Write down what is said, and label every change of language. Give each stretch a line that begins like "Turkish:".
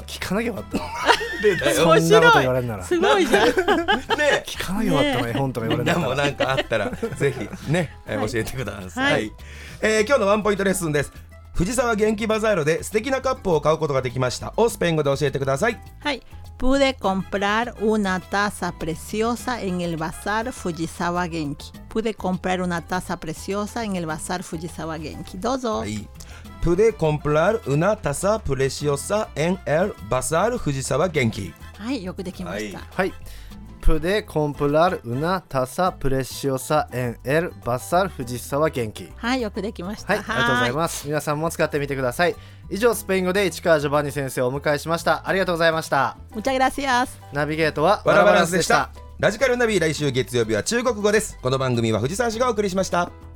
Japanese: 聞かなきゃよかったでだよ、そんなこと言われるならすごいじゃん、ね、聞かなきゃよかったの、ね、絵本とか言われるならなんかあったらぜひね、はい、教えてください、はい、今日のワンポイントレッスンです。藤沢元気バザールで素敵なカップを買うことができましたをスペイン語で教えてください。
Spanish: はい、pude comprar una taza preciosa en el bazar Fujisawa Genki. Pude comprar una taza preciosa en el bazar Fujisawa Genki.
Japanese: どうぞ。はい。
Spanish: Pude comprar una taza preciosa en el bazar Fujisawa Genki.
Japanese: はい、よくできました。はい。
Spanish: Pude comprar una taza preciosa en el bazar Fujisawa Genki.
Japanese: はい、よくできました。はい、ありがとうございます。皆さんも使ってみてください。以上、スペイン語で市川ジョバンニ先生をお迎えしました。ありがとうございました。
Spanish: Muchas gracias.
Japanese: ナビゲートはワラバランスでした。ラジカルナビ、来週月曜日は中国語です。この番組は藤沢氏がお送りしました。